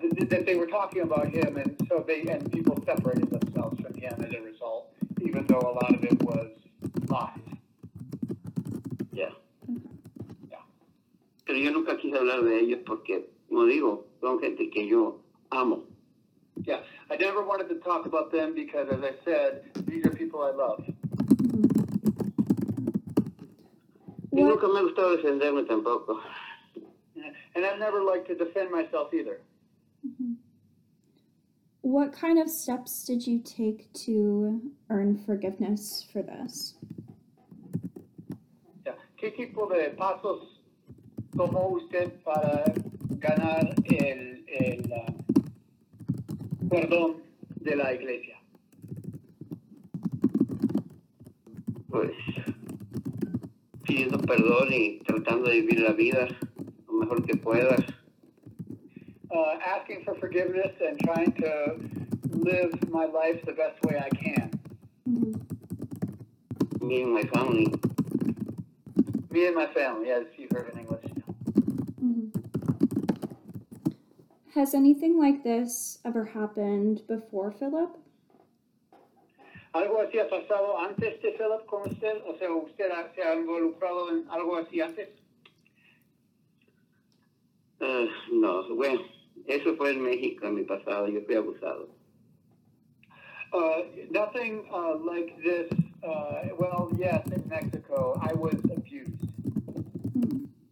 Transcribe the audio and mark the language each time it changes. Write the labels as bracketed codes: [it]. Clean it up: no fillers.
[en] That they were talking about him, and so people separated themselves from him as a result, even though a lot of it was lies. Yeah. Yeah. [es] Pero yo nunca quise hablar de ellos porque, como digo, son gente que yo amo. [en] Yeah, I never wanted to talk about them because, as I said, these are people I love. [es] Y nunca me gustó defenderme tampoco. [en] And I never like to defend myself either. Mm-hmm. What kind of steps did you take to earn forgiveness for this? Yeah. [es] ¿Qué tipo de pasos tomó usted para ganar el perdón de la iglesia? Pues, pidiendo perdón y tratando de vivir la vida. Mejor que puedas. [en] Asking for forgiveness and trying to live my life the best way I can. Mm-hmm. Me and my family. Me and my family, as you heard in English. Mm-hmm. Has anything like this ever happened before, Philip? [es] ¿Algo así ha pasado antes de Philip con usted? O sea, ¿usted se ha involucrado en algo así antes? No, bueno, eso fue en México, en mi pasado, yo fui abusado. [en] Nothing like this, in Mexico, I was abused.